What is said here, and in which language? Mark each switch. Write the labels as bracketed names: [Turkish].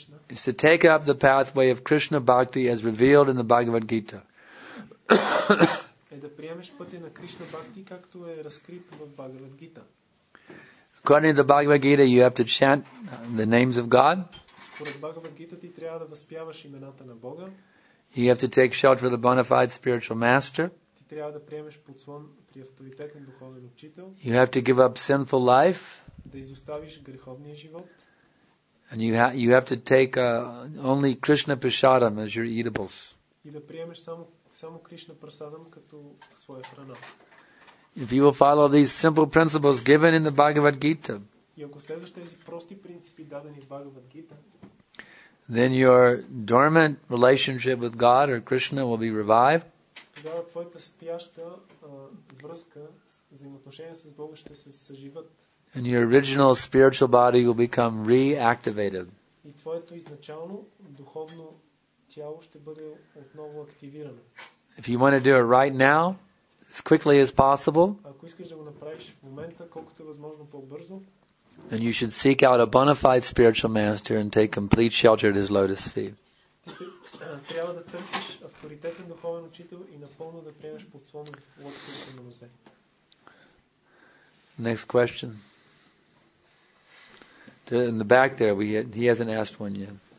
[English] is to take up the pathway of Krishna Bhakti as revealed in the Bhagavad Gita. [Bulgarian] Е да приемеш пътя на Кришна Бхакти, както е разкрит в Бхагавад Гита. [English] According to the Bhagavad Gita, you have to chant the names of God. [Bulgarian] Според Бхагавад Гита ти трябва да възпяваш имената на Бога. [English] You have to take shelter of the bona fide spiritual master. [Bulgarian] Ти трябва да приемеш подслон при авторитетен духовен учител. [English] You have to give up sinful life. [Bulgarian] Да изоставиш греховния живот. [English] And you have to take only Krishna Prasadam as your eatables. [Bulgarian] И да приемеш само Кришна Прасадам като своя храна. [English] If you will follow these simple principles given in the Bhagavad Gita, [Bulgarian] и ако следваш тези прости принципи дадени в Бхагавад Гита, [English] then your dormant relationship with God or Krishna will be revived. [Bulgarian] Тогава твоята спяща връзка, взаимоотношения с Бога ще се съживат. [English] And your original spiritual body will become reactivated. [Bulgarian] И твоето изначално духовно тяло ще бъде отново активирано. [English] If you want to do it right now, as quickly as possible, [Bulgarian] ако искаш да го направиш в момента, колкото е възможно по-бързо, [English] then you should seek out a bona fide spiritual master and take complete shelter at his lotus feet. [Bulgarian] Ти трябва да търсиш авторитетен духовен учител и напълно да приемеш подслон в лотосовите нозе. [English] Next question. In the back there, he hasn't asked one yet.